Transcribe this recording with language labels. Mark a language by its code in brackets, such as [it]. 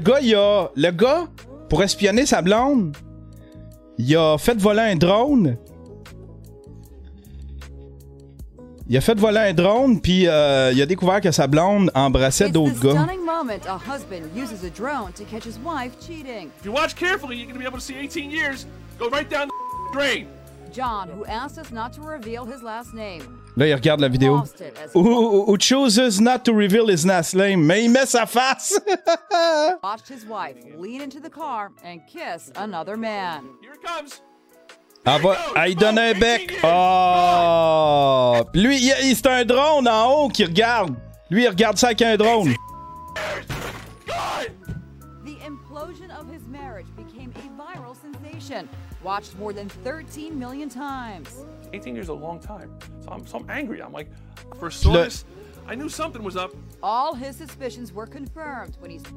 [fr] Le gars, pour espionner sa blonde, il a fait voler un drone. Il a fait voler un drone, puis il a découvert que sa blonde embrassait d'autres gars. C'est un moment où un [en] husband uses a drone to catch his wife cheating. If you watch carefully, you're gonna be able to see 18 years go right down the drain. John, who asked us not to reveal his last name. [fr] Là, il regarde la vidéo. [en] Who chooses not to reveal his last name, [fr] mais il met sa face. [en] Watched his wife lean into the car and kiss another man. Here it comes. [fr] Il donne un bec. Oh! Lui, c'est un drone en haut qui regarde. Lui, il regarde ça avec un drone. [en] The implosion of his marriage became a viral sensation. Watched more than 13 million times. 18 years is a long time. So I'm angry. I'm like, for source, I knew something was up. All his suspicions were confirmed when he's...